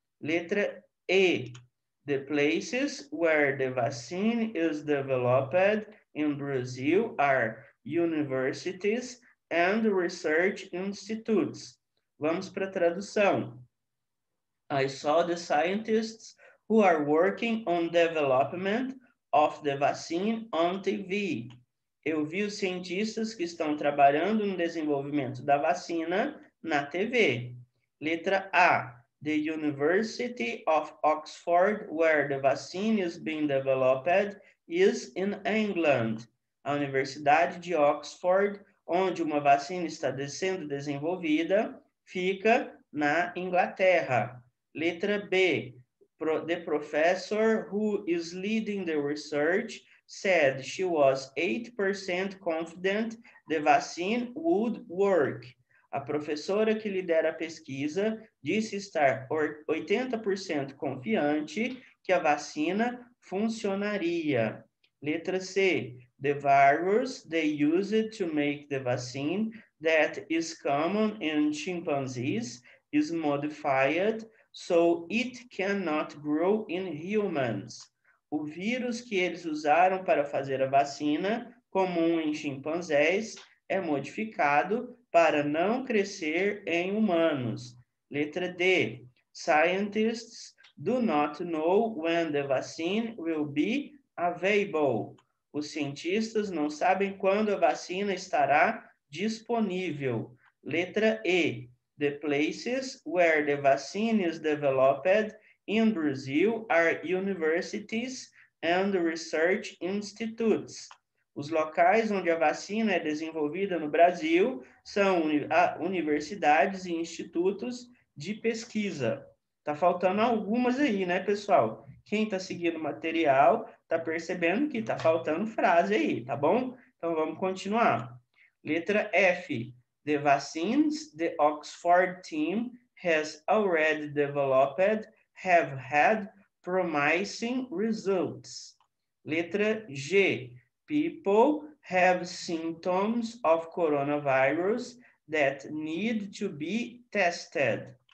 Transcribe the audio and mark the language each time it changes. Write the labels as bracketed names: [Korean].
[Portuguese] Letra E, [English] the places where the vaccine is developed in Brazil are universities and research institutes. [Portuguese] Vamos para a tradução. [English] I saw the scientists who are working on development of the vaccine on TV. [Portuguese] Eu vi os cientistas que estão trabalhando no desenvolvimento da vacina na TV. Letra A, [English] the University of Oxford, where the vaccine is being developed, is in England. [Portuguese] A Universidade de Oxford, onde uma vacina está sendo desenvolvida, fica na Inglaterra. Letra B, [English] the professor who is leading the research said she was 8% confident the vaccine would work. [Portuguese] A professora que lidera a pesquisa disse estar 80% confiante que a vacina funcionaria. Letra C, [English] the virus they used to make the vaccine that is common in chimpanzees is modified so it cannot grow in humans. [Portuguese] O vírus que eles usaram para fazer a vacina, comum em chimpanzés, é modificado para não crescer em humanos. Letra D. [English] Scientists do not know when the vaccine will be available. [Portuguese] Os cientistas não sabem quando a vacina estará disponível. Letra E. [English] The places where the vaccine is developed in Brazil are universities and research institutes. [Portuguese] Os locais onde a vacina é desenvolvida no Brasil são universidades e institutos de pesquisa. Tá faltando algumas aí, né, pessoal? Quem está seguindo o material está percebendo que está faltando frase aí, tá bom? Então vamos continuar. Letra F. [English] The vaccines the Oxford team has already developed have had promising results. [Portuguese] Letra G. [English] People have symptoms of coronavirus that need to be tested.